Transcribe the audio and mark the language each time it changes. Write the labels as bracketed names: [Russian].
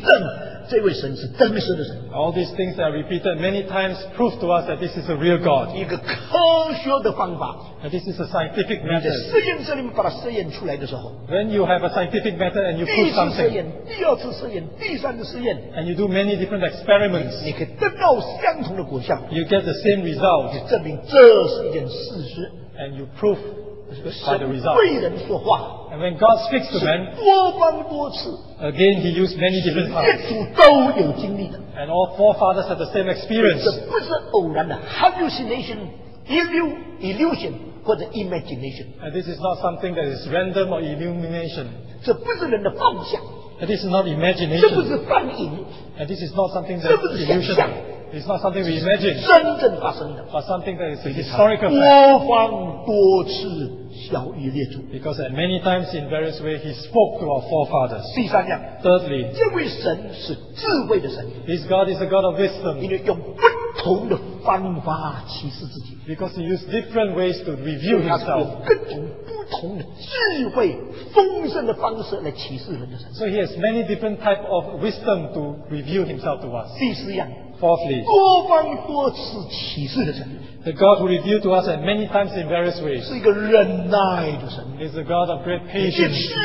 [Chinese] 这些继续不断重复做的事情去印证这位神是真实的神。 [English] All these things that are repeated many times prove to us that this is a real God. [Chinese] 一个科学的方法, [English] that this is a scientific method. [Chinese] 你在试验室里面把它试验出来的时候, [English] when you have a scientific method and you put something, [Chinese] 第一次试验, 第二次试验, 第三次试验, [English] and you do many different experiments, [Chinese] 你可以得到相同的果效, [English] you get the same result. [Chinese] 你证明这是一件事实, [English] and you prove by the result. [Chinese] 神对人说话, [English] and when God speaks to man, [Chinese] 多方多次, [English] again he used many different times. And all forefathers had the same experience. [Chinese] 这不是偶然的, [English] hallucination, illusion, or the imagination. And this is not something that is random or illumination. [Chinese] 这不是人的妄想, [English] and this is not imagination. [Chinese] 这不是幻影, [English] and this is not something that is illusion. It's not something we imagine, [Chinese] 是真正发生的, [English] but something that is a historical fact. Because at many times in various ways, he spoke to our forefathers. [Chinese] 第三样, [English] thirdly, [Chinese] 这位神是智慧的神, [English] this God is a God of wisdom. Because he used different ways to reveal himself. [Chinese] 不同的智慧,丰盛的方式来启示人的神。 [English] So he has many different types of wisdom to reveal himself to us. [Chinese] 第四样, [English] fourthly, [Chinese] 多方多次启示的神, [English] the God who revealed to us at many times in various ways, [Chinese] 是一个忍耐的神, [English] is a God of great patience.